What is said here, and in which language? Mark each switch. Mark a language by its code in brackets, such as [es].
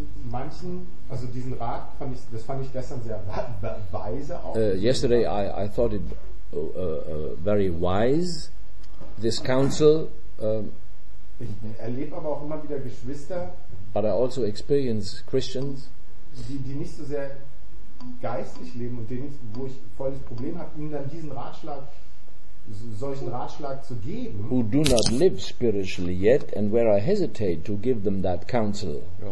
[de] Manchen, also diesen Rat, fand ich gestern sehr weise auch. [en] Yesterday I thought it very wise, this counsel. [de] Ich erlebe aber auch immer wieder Geschwister. [en] But I also experience Christians. [de] Die nicht so sehr geistlich leben und denen, wo ich volles Problem habe, ihnen dann diesen Ratschlag. Solchen Ratschlag zu geben, [en] who do not live spiritually yet and where I hesitate to give them that counsel.